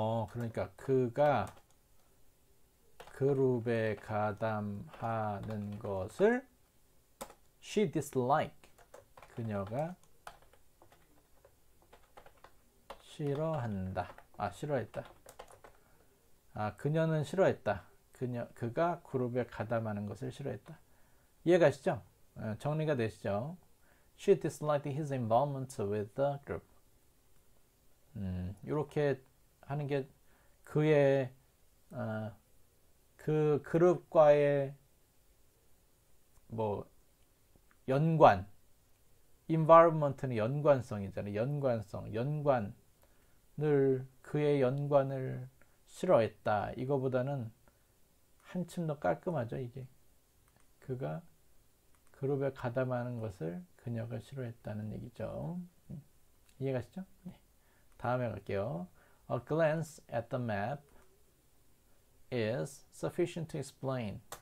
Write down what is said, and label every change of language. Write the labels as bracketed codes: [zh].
[ko] 그러니까 그가 그룹에 가담하는 것을 [en] she dislike [ko] 그녀가 싫어한다. 아, 싫어했다. 아, 그녀는 싫어했다. 그가 그룹에 가담하는 것을 싫어했다. 이해가시죠? 정리가 되시죠? [en] She disliked his involvement with the group. [ko] 이렇게 하는 게 그의 그 그룹과의 뭐 연관, environment는 연관성이잖아요. 연관성, 연관. 늘 그의 연관을 싫어했다. 이거보다는 한층 더 깔끔하죠, 이게. 그가 그룹에 가담하는 것을 그녀가 싫어했다는 얘기죠. 이해가시죠? 네. 다음에 갈게요. [en] A glance at the map is sufficient to explain.